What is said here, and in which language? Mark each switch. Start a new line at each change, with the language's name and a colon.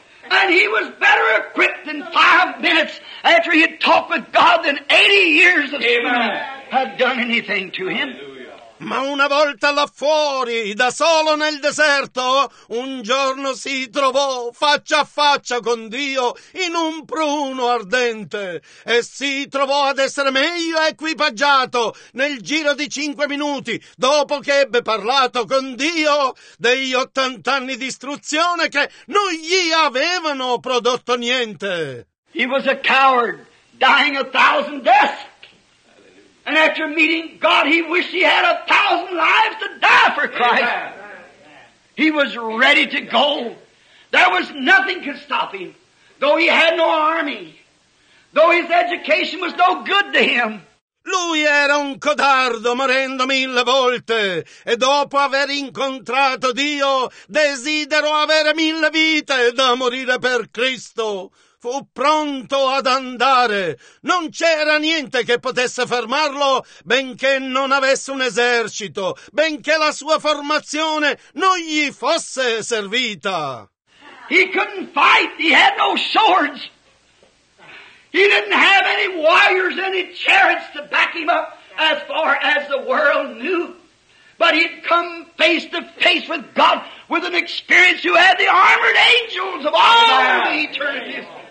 English: And he was better equipped in 5 minutes after he had talked with God than 80 years of schooling had done anything to him.
Italian: Ma una volta là fuori, da solo nel deserto, un giorno si trovò faccia a faccia con Dio in un pruno ardente e si trovò ad essere meglio equipaggiato nel giro di 5 minuti dopo che ebbe parlato con Dio degli 80 anni di istruzione che non gli avevano prodotto niente.
English: He was a coward, dying 1,000 deaths. And after meeting God, he wished he had 1,000 lives to die for Christ. He was ready to go. There was nothing could stop him, though he had no army, though his education was no good to him.
Italian: Lui era un codardo morendo 1,000 volte e dopo aver incontrato Dio desiderò avere 1,000 vite da morire per Cristo. Fu pronto ad andare. Non c'era niente che potesse fermarlo, benché non avesse un esercito, benché la sua formazione non gli fosse servita.
English: He couldn't fight. He had no swords. He didn't have any warriors, any chariots to back him up as far as the world knew. But he'd come face to face with God with an experience who had the armored angels of all the eternities.